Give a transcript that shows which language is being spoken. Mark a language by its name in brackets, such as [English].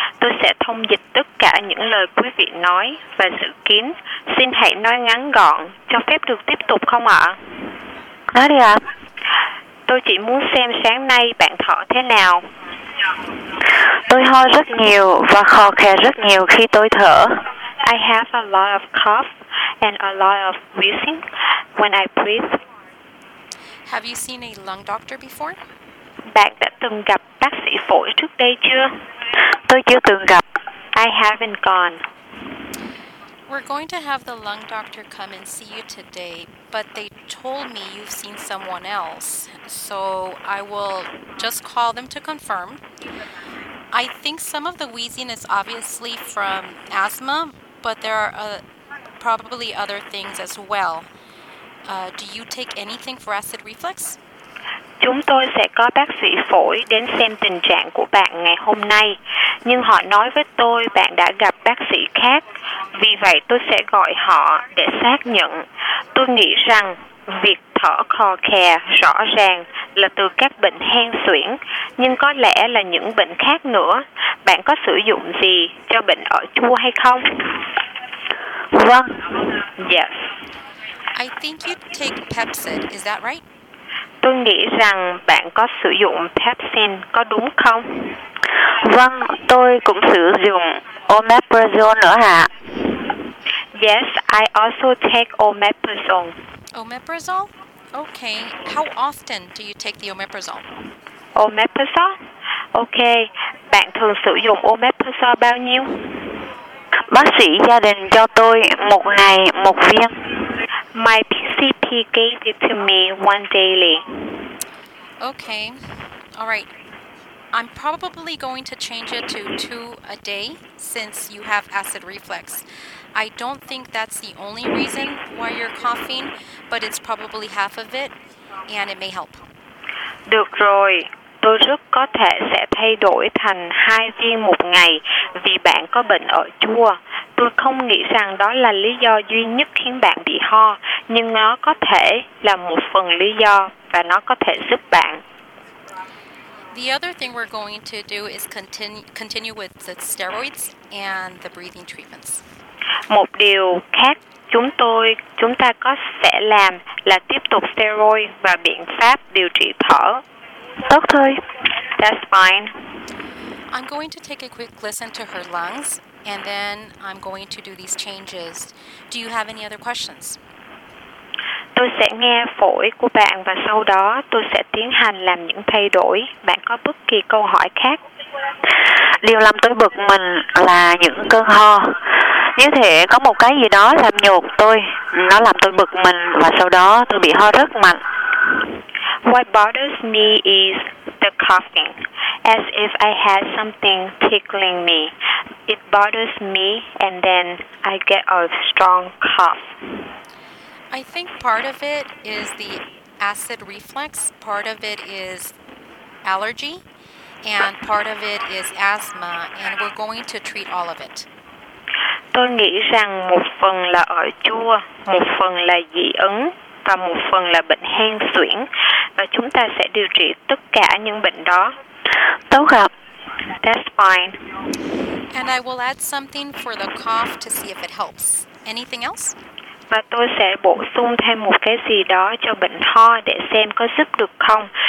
[Vietnamese] Tôi sẽ thông dịch tất cả những lời quý vị nói và dự kiến. Xin hãy nói ngắn gọn, cho phép được tiếp tục không ạ? Nói đi ạ. Tôi chỉ muốn xem sáng nay bạn thở thế nào. Tôi ho rất nhiều và khò khè rất nhiều khi tôi thở. [English] I have a lot of cough and a lot of wheezing when I breathe. Have you seen a lung doctor before? [Vietnamese] Bạn đã từng gặp bác sĩ phổi trước đây chưa? Tôi chưa từng gặp. [English] I haven't gone. We're going to have the lung doctor come and see you today, but they told me you've seen someone else. So I will just call them to confirm. I think some of the wheezing is obviously from asthma, but there are probably other things as well. Do you take anything for acid reflux? [Vietnamese] Chúng tôi sẽ có bác sĩ phổi đến xem tình trạng của bạn ngày hôm nay. Nhưng họ nói với tôi bạn đã gặp bác sĩ khác. Vì vậy tôi sẽ gọi họ để xác nhận. Tôi nghĩ rằng việc thở khò khè rõ ràng là từ các bệnh hen suyễn. Nhưng có lẽ là những bệnh khác nữa. Bạn có sử dụng gì cho bệnh ở chua hay không? Vâng. [English] Yes. I think you take Pepcid, is that right? [Vietnamese] Tôi nghĩ rằng bạn có sử dụng Pepcid, có đúng không? Vâng, tôi cũng sử dụng Omeprazole nữa hả? [English] Yes, I also take Omeprazole. Omeprazole? Okay, how often do you take the Omeprazole? Omeprazole? [Vietnamese] Okay, bạn thường sử dụng Omeprazole bao nhiêu? Bác sĩ gia đình cho tôi một ngày một viên. [English] My PCP gave it to me one daily. Okay. All right. I'm probably going to change it to two a day since you have acid reflux. I don't think that's the only reason why you're coughing, but it's probably half of it, and it may help. [Vietnamese] Được rồi. Tôi rất có thể sẽ thay đổi thành hai viên một ngày vì bạn có bệnh ở chua. Tôi không nghĩ rằng đó là lý do duy nhất khiến bạn bị ho, nhưng nó có thể là một phần lý do và nó có thể giúp bạn. [English] The other thing we're going to do is continue with the steroids and the breathing treatments. [Vietnamese] Một điều khác chúng ta có sẽ làm là tiếp tục steroid và biện pháp điều trị thở. Tốt thôi. [English] That's fine. I'm going to take a quick listen to her lungs. And then I'm going to do these changes. Do you have any other questions? [Vietnamese] Tôi sẽ nghe phổi của bạn và sau đó tôi sẽ tiến hành làm những thay đổi. Bạn có bất kỳ câu hỏi khác? Điều làm tôi bực mình là những cơn ho. Như thể có một cái gì đó làm nhột tôi. Nó làm tôi bực mình và sau đó tôi bị ho rất mạnh. [English] What bothers me is the coughing, as if I had something tickling me. It bothers me, and then I get a strong cough. I think part of it is the acid reflux, part of it is allergy, and part of it is asthma, and we're going to treat all of it. [Vietnamese] Tôi nghĩ rằng một phần là ở chua, một phần là dị ứng, và một phần là bệnh hen suyễn, và chúng ta sẽ điều trị tất cả những bệnh đó. Tốt ạ. [English] That's fine. And I will add something for the cough to see if it helps. Anything else? [Vietnamese] Và tôi sẽ bổ sung thêm một cái gì đó cho bệnh ho để xem có giúp được không.